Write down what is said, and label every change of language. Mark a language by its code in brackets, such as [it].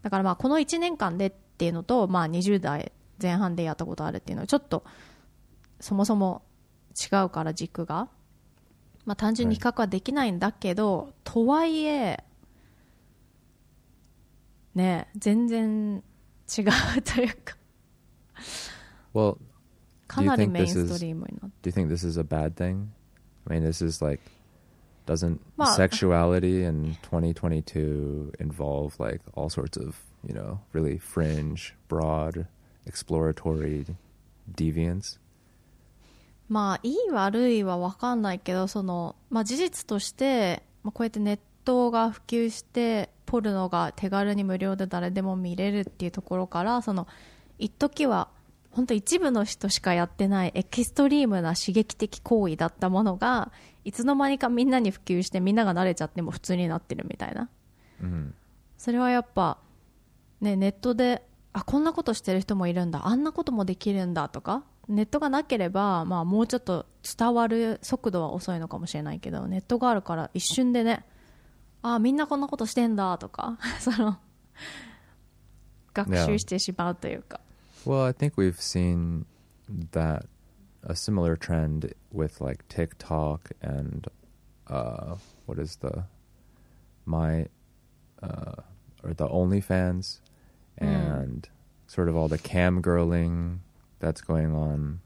[ja] だからまあこの1年間でっていうのと、まあ、20代前半でやったことあるっていうのはちょっとそもそも違うから軸が、まあ、単純に比較はできないんだけど、はい、とはいえね全然違うというか [en] well, [ja] かなりメインストリームになって [en] Do you think this is a bad thing? I mean this is like doesn't sexuality in 2022 involve like all sorts of you know really fringe broadExploratory deviance? [ja] まあいい悪いは分かんないけどその、まあ、事実として、まあ、こうやってネットが普及してポルノが手軽に無料で誰でも見れるっていうところからその一時は本当一部の人しかやってないエキストリームな刺激的行為だったものがいつの間にかみんなに普及してみんなが慣れちゃっても普通になってるみたいな、それはやっぱ、ね、ネットで、あ、こんなことしてる人もいるんだ、あんなこともできるんだとか、ネットがなければ、まあ、もうちょっと伝わる速度は遅いのかもしれないけど、ネットがあるから一瞬でね、あ、みんなこんなことしてんだとか、その学習してしまうというか、 [en] Well, I think we've seen that a similar trend with like TikTok and what is the my or the OnlyFans and sort of all the cam girling that's going on.